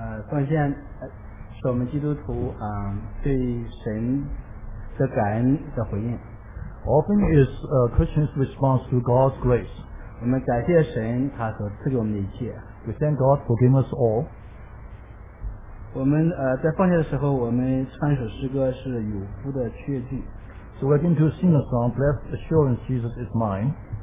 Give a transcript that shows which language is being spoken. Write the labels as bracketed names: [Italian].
[Chinese] 奉献是我们基督徒对神的感恩的回应。 [English] Offering is a Christian's response to God's grace. [Chinese] 我们感谢神他所赐给我们的一切。 [English] We thank God for giving us all. [Chinese] 我们在奉献的时候，我们唱一首诗歌是有福的确据。 [English] So we're going to sing a song, Blessed Assurance Jesus is Mine.